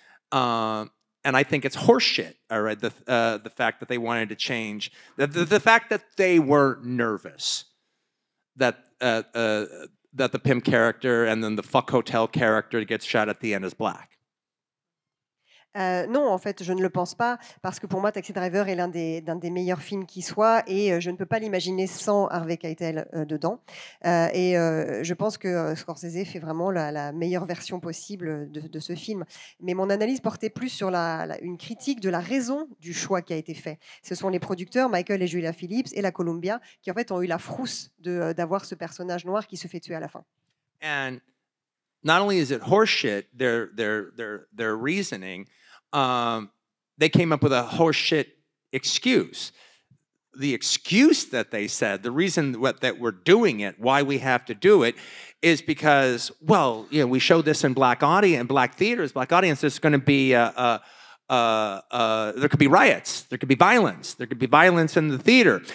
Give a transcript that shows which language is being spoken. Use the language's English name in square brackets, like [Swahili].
[English] And I think it's horseshit, all right, the fact that they wanted to change, the fact that they were nervous that the pimp character and then the fuck hotel character gets shot at the end is black. [French] Non, en fait, je ne le pense pas, parce que pour moi, Taxi Driver est l'un des meilleurs films qui soit, et je ne peux pas l'imaginer sans Harvey Keitel dedans. Je pense que Scorsese fait vraiment la meilleure version possible de ce film. Mais mon analyse portait plus sur une critique de la raison du choix qui a été fait. Ce sont les producteurs, Michael et Julia Phillips, et la Columbia, qui en fait ont eu la frousse d'avoir ce personnage noir qui se fait tuer à la fin. [English] And not only is it horseshit, their reasoning, they came up with a horseshit excuse. the excuse that they said, the reason what, that we're doing it, why we have to do it, is because, well, you know, we show this in black audience, black theaters, black audience, there's going to be, there could be riots, there could be violence, there could be violence in the theater.